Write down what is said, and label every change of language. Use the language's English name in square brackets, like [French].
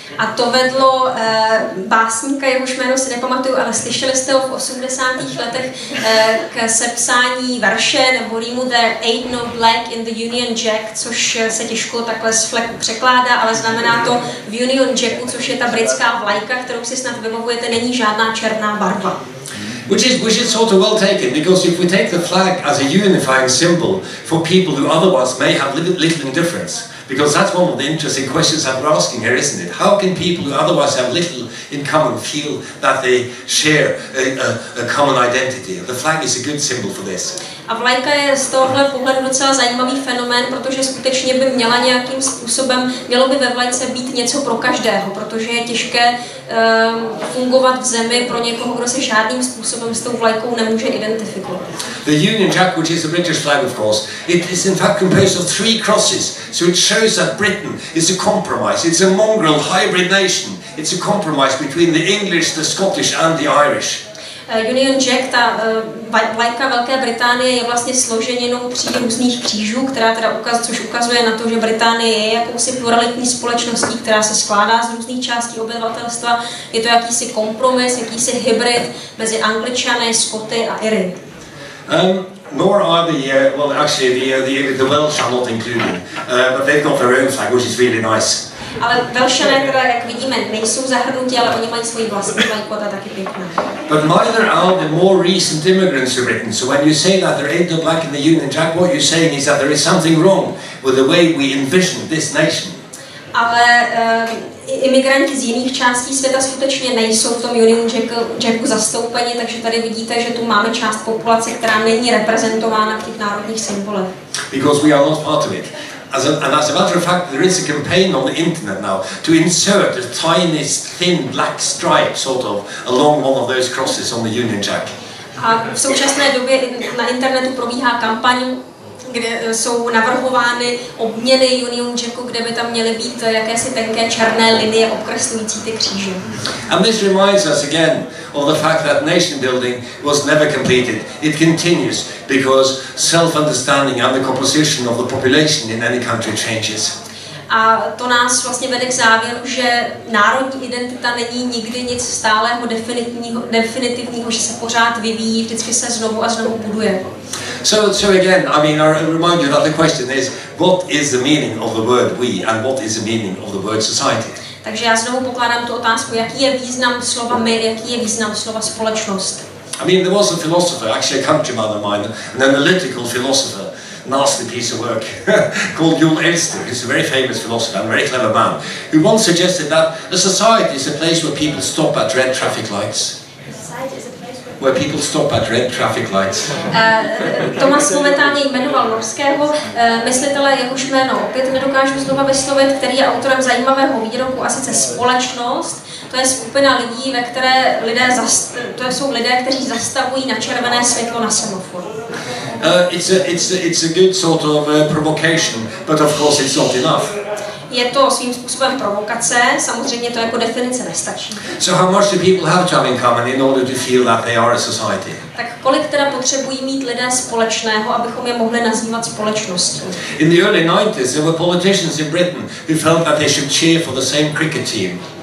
[Czech] A to vedlo básníka, jehož jméno si nepamatuju, ale slyšeli jste ho v 80. letech k sepsání verše nebo rýmu [English] "There ain't no black in the Union Jack", [Czech] což se těžko takhle z fleku překládá, ale znamená to v Union Jacku, což je ta britská vlajka, kterou si snad vybavujete, není žádná černá barva. [English] Which is sort of well taken, because if we take the flag as a unifying symbol for people who otherwise may have little indifference, because that's one of the interesting questions that we're asking here, isn't it? How can people who otherwise have little in common feel that they share a common identity? The flag is a good symbol for this. [Czech] A vlajka je z tohohle pohledu docela zajímavý fenomén, protože skutečně by měla nějakým způsobem, mělo by ve vlajce být něco pro každého, protože je těžké fungovat v zemi pro někoho, kdo se žádným způsobem s tou vlajkou nemůže identifikovat. [English] The Union Jack, which is the British flag, of course, it is in fact composed of three crosses, so it shows that Britain is a compromise, it's a mongrel hybrid nation, it's a compromise between the English, the Scottish and the Irish. [Czech] Union Jack, ta vlajka Velké Británie je vlastně složeninou tří různých křížů, která teda ukazuje na to, že Británie je jakousi pluralitní společností, která se skládá z různých částí obyvatelstva. Je to jakýsi kompromis, jakýsi hybrid mezi Angličany, Skoty a Iry. [English] Nor are the Welsh are not included, but they've got their own flag, which is really nice. [Czech] Ale Velšané teda, jak vidíme, nejsou zahrnutí, ale oni mají svoji vlastní vlajku, ta taky pěkná. [English] But neither are the more recent immigrants to Britain. So when you say that there ain't no black in the Union Jack, what you're saying is that there is something wrong with the way we envision this nation. [Czech] Ale imigranti z jiných částí světa skutečně nejsou v tom Union Jacku zastoupeni, takže tady vidíte, že tu máme část populace, která není reprezentována v těch národních symbolech. [English] Because we are not part of it. As a matter of fact, there is a campaign on the internet now to insert a tiny, thin black stripe, sort of, along one of those crosses on the Union Jack. [Czech] A v současné době na internetu probíhá kampaň, kde jsou navrhovány obměny Union Jacku, kde by tam měly být jakési tenké černé linie obkreslující ty kříže. [English] And this reminds us again of the fact that nation building was never completed. It continues because self-understanding and the composition of the population in any country changes. [Czech] A to nás vlastně vede k závěru, že národní identita není nikdy nic stálého, definitivního, že se pořád vyvíjí, vždycky se znovu a znovu buduje. [English] So again, I mean, I remind you, another question is, what is the meaning of the word we and what is the meaning of the word society? [Czech] Takže já znovu pokládám tu otázku, jaký je význam slova my, jaký je význam slova společnost? [English] I mean, there was a philosopher, actually a countryman of mine, an analytical philosopher, nasty piece of work called Jules Elster, who's a very famous philosopher and a very clever man, who once suggested that a society is a place where people stop at red traffic lights. Where people stop at red traffic lights. [Czech] Tomas momentálně jmenoval norského myslitele, jehož jméno opět nedokážu znova vyslovit, který je autorem zajímavého výroku, a sice společnost. To je skupina lidí, ve které lidé jsou lidé, kteří zastavují na červené světlo na semaforu. [English] It's a good sort of provocation, but of course it's not enough. [Czech] Je to svým způsobem provokace, samozřejmě to jako definice nestačí. [English] So how much do people have to have in common in order to feel that they are a society? [Czech] Tak kolik teda potřebují mít lidé společného, abychom je mohli nazývat společností? [English] In the early 90s, there were politicians in Britain who felt that they should cheer for the same cricket team.